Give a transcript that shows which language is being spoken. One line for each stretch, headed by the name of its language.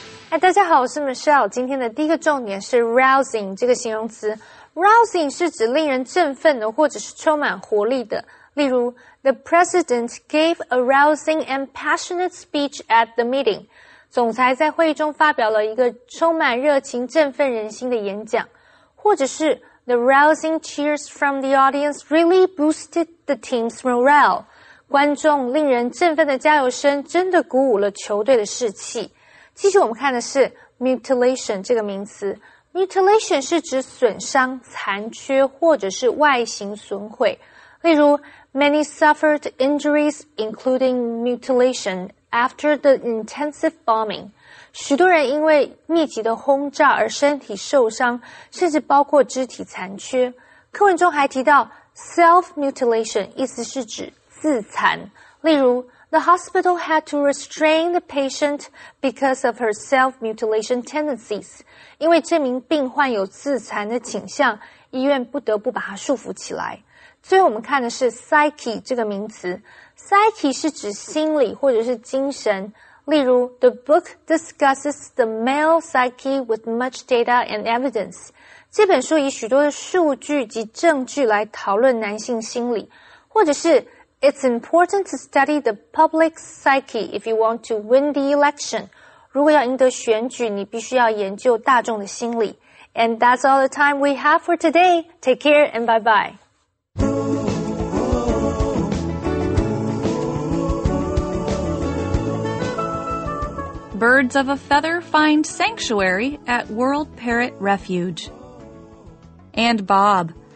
Chinese: 哎，大家好，我是 Michelle。今天的第一个重点是 rousing 这个形容词。 rousing 是指令人振奋的或者是充满活力的。例如
English: ,the president gave a rousing and passionate speech at the meeting.
Chinese: 总裁在会议中发表了一个充满热情振奋人心的演讲。或者是
English: ,the rousing cheers from the audience really boosted the team's morale.
Chinese: 观众令人振奋的加油声真的鼓舞了球队的士气。继续我们看的是 mutilation 这个名词。mutilation 是指损伤、残缺或者是外形损毁。例如
English: ,many suffered injuries including mutilation after the intensive bombing.
Chinese: 许多人因为密集的轰炸而身体受伤，甚至包括肢体残缺。课文中还提到 self-mutilation, 意思是指自残。例如
English: The hospital had to restrain the patient because of her self-mutilation tendencies.
Chinese: 因为这名病患有自残的倾向，医院不得不把它束缚起来。最后我们看的是 psyche 这个名词。psyche 是指心理或者是精神。例如
English: ,the book discusses the male psyche with much data and evidence.
Chinese: 这本书以许多的数据及证据来讨论男性心理。或者是
English: It's important to study the public psyche if you want to win the election.
Chinese: 如果要赢得选举，你必须要研究大众的心理。
English: And that's all the time we have for today. Take care and bye-bye. Birds of a feather find sanctuary at World Parrot Refuge. And Bob.